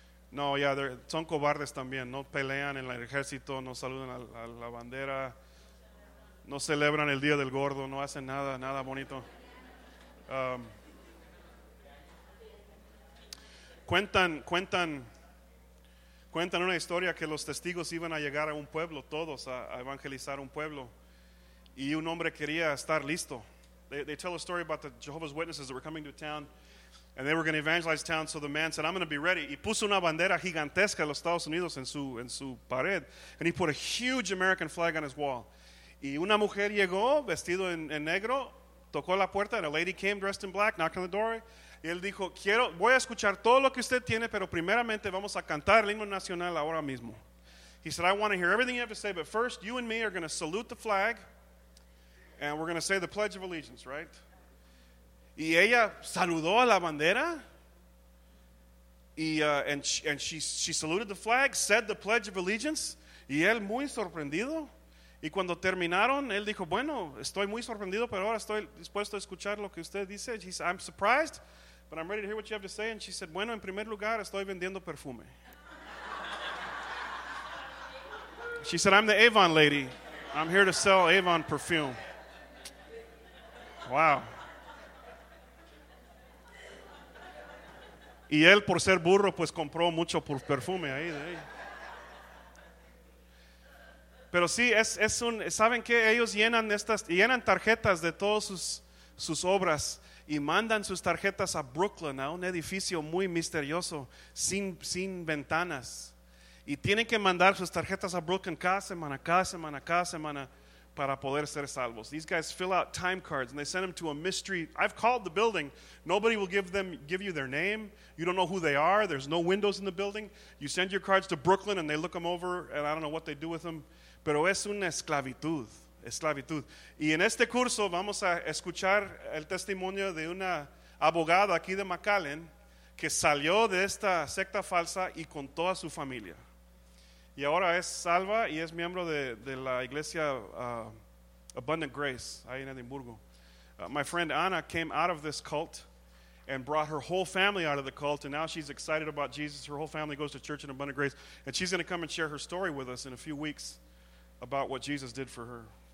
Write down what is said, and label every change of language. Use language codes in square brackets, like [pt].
[es] No, ya, son cobardes también. No pelean en el ejército, no saludan a la bandera, no celebran el Día del Gordo, no hacen nada bonito. Cuentan una historia que los testigos iban a llegar a un pueblo, todos, a evangelizar un pueblo, y un hombre quería estar listo. [en] They tell a story about the Jehovah's Witnesses that were coming to town, and they were going to evangelize town, so the man said, I'm going to be ready. [es] Y puso una bandera gigantesca de los Estados Unidos en su pared. [en] And he put a huge American flag on his wall. [es] Y una mujer llegó vestido en negro, tocó la puerta, [en] and a lady came dressed in black, knocked on the door. [es] Y él dijo, voy a escuchar todo lo que usted tiene, pero primeramente vamos a cantar el himno nacional ahora mismo. [en] He said, I want to hear everything you have to say, but first you and me are going to salute the flag and we're going to say the Pledge of Allegiance, right? [es] Y ella saludó a la bandera. [en] And she saluted the flag, said the Pledge of Allegiance. [es] Y él muy sorprendido. Y cuando terminaron, él dijo, bueno, estoy muy sorprendido, pero ahora estoy dispuesto a escuchar lo que usted dice. [en] He said, I'm surprised, but I'm ready to hear what you have to say. And she said, [es] bueno, en primer lugar, estoy vendiendo perfume. [en] She said, I'm the Avon lady. I'm here to sell Avon perfume. Wow. [es] Y él, por ser burro, pues compró mucho por perfume ahí de ahí. Pero sí, es un, ¿saben qué? Ellos llenan estas, llenan tarjetas de todas sus obras y mandan sus tarjetas a Brooklyn, a un edificio muy misterioso, sin ventanas. Y tienen que mandar sus tarjetas a Brooklyn cada semana, para poder ser salvos. [en] These guys fill out time cards and they send them to a mystery. I've called the building. Nobody will give you their name. You don't know who they are. There's no windows in the building. You send your cards to Brooklyn and they look them over and I don't know what they do with them. [es] Pero es una esclavitud. Y en este curso vamos a escuchar el testimonio de una abogada aquí de McAllen que salió de esta secta falsa y con toda su familia. Y ahora es salva y es miembro de la iglesia Abundant Grace, ahí en Edimburgo. [en] My friend Anna came out of this cult and brought her whole family out of the cult, and now she's excited about Jesus. Her whole family goes to church in Abundant Grace, and she's going to come and share her story with us in a few weeks about what Jesus did for her.